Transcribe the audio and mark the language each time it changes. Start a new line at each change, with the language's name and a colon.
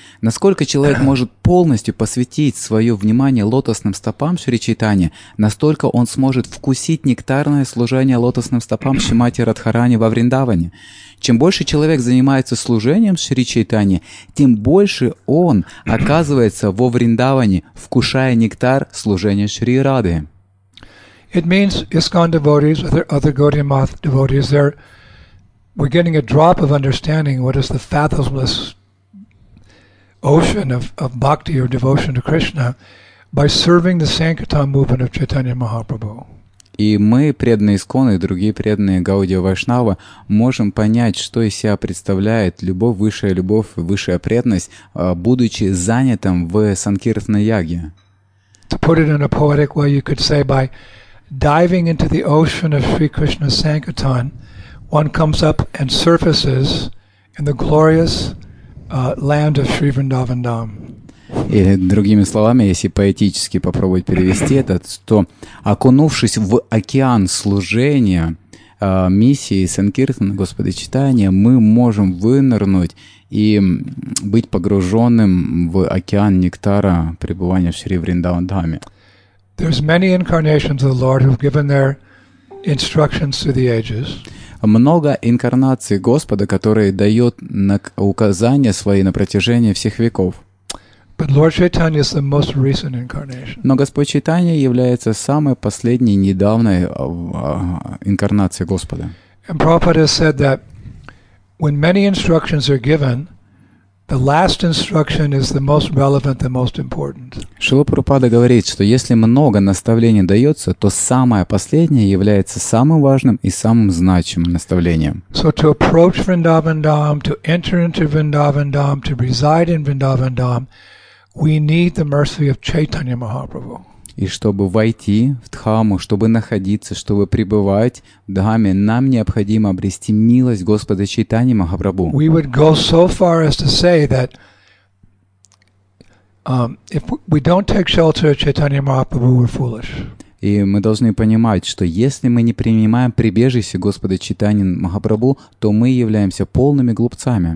Russian: Насколько человек может полностью посвятить свое внимание лотосным стопам Шри Чайтанья, настолько он сможет вкусить нектарное служение лотосным стопам Шримати Радхарани во Вриндаване. Чем больше человек занимается служением Шри Чайтанья, тем больше он оказывается во Вриндаване, вкушая нектар служения Шри Рады.
English: It means ISKCON devotees, other Gaudiya Math devotees, we're getting a drop of understanding what is the fathomless ocean of bhakti or devotion to Krishna by serving the Sankirtan movement of Chaitanya Mahaprabhu.
Russian: И мы, преданные ISKCON, и другие преданные Гаудия Вайшнава, можем понять, что из себя представляет любовь, высшая преданность, будучи занятым в Санкиртной Яге.
English: To put it in a poetic way, you could say by diving into the ocean of Sri Krishna Sankirtan, one comes up and surfaces in the glorious land of Sri Vrindavan Dham.
Russian: И другими словами, если поэтически попробовать перевести это, то окунувшись в океан служения миссии Санкиртана, Господи Читания, мы можем вынырнуть и быть погруженным в океан нектара пребывания в Шри Вриндаван-дхаме.
English: There's many incarnations of the Lord who've given their instructions through the ages.
Russian: Много инкарнаций Господа, который дает указания свои на протяжении всех веков.
English: But Lord Chaitanya is the most recent incarnation.
Russian: Но Господь Чайтанья является самой последней недавней инкарнацией Господа.
English: And Prabhupada said that when many instructions are given, the last instruction is the most relevant, the most important.
Russian: Шрила Прабхупада говорит, что если много наставлений дается, то самое последнее является самым важным и самым значимым наставлением.
English: So to approach Vrindavan Dham, to enter into Vrindavan Dham, to reside in Vrindavan Dham, we need the mercy of Chaitanya Mahaprabhu.
Russian: И чтобы войти в Дхаму, чтобы находиться, чтобы пребывать в Дхаме, нам необходимо обрести милость Господа Чайтаньи Махапрабху.
English: We would go so far as to say that if we don't take shelter of Chaitanya Mahaprabhu, we're foolish.
Russian: И мы должны понимать, что если мы не принимаем прибежище Господа Чайтаньи Махапрабху, то мы являемся полными глупцами.